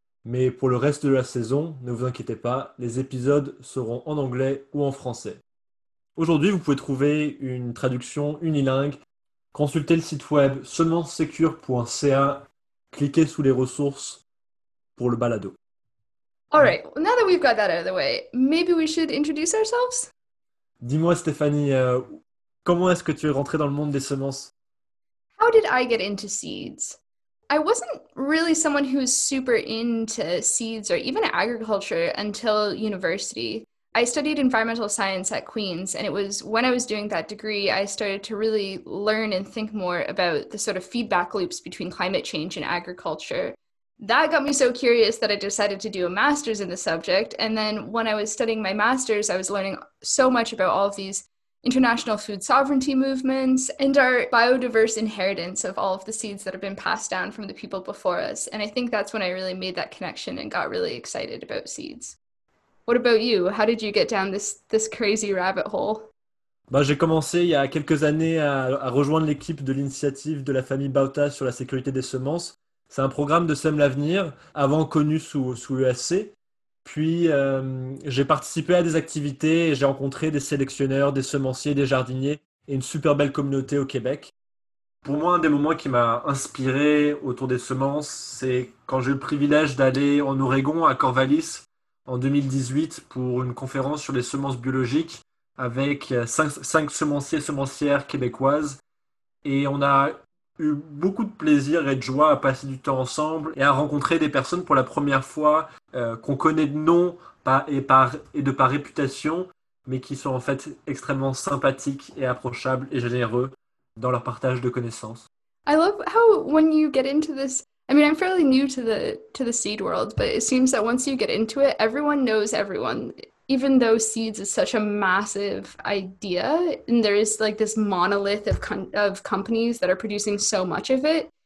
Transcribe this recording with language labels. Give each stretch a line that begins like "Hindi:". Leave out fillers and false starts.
French: Mais pour le reste de la saison, ne vous inquiétez pas, les épisodes seront en anglais ou en français. Aujourd'hui, vous pouvez trouver une traduction unilingue, consulter le site web seulementsecure.ca, cliquer sous les ressources pour le balado.
English: All right, well, now that we've got that out of the way, maybe we should introduce ourselves?
French: Dis-moi Stéphanie, comment est-ce que tu es rentrée dans le monde des semences?
English: How did I get into seeds? I wasn't really someone who was super into seeds or even agriculture until university. I studied environmental science at Queen's, and it was when I was doing that degree I started to really learn and think more about the sort of feedback loops between climate change and agriculture. That got me so curious that I decided to do a master's in the subject, and then when I was studying my master's, I was learning so much about all of these international food sovereignty movements and our biodiverse inheritance of all of the seeds that have been passed down from the people before us. And I think that's when I really made that connection and got really excited about seeds. What about you? How did you get down this crazy rabbit hole?
French: Bah, j'ai commencé il y a quelques années à rejoindre l'équipe de l'initiative de la famille Bauta sur la sécurité des semences. C'est un programme de Sème l'Avenir, avant connu sous l'ESC. Puis j'ai participé à des activités et j'ai rencontré des sélectionneurs, des semenciers, des jardiniers et une super belle communauté au Québec. Pour moi, un des moments qui m'a inspiré autour des semences, c'est quand j'ai eu le privilège d'aller en Oregon, à Corvallis, en 2018 pour une conférence sur les semences biologiques avec cinq semenciers et semencières québécoises. Et on a eu beaucoup de plaisir et de joie à passer du temps ensemble et à rencontrer des personnes pour la première fois qu'on connaît de nom et de par réputation, mais qui sont en fait extrêmement sympathiques et approchables et généreux dans leur partage de connaissances.
English: I love how when you get into this, I mean, I'm fairly new to the seed world, but it seems that once you get into it, everyone knows everyone, even though seeds is such a massive idea, and there is like this monolith of companies that are producing so much of it.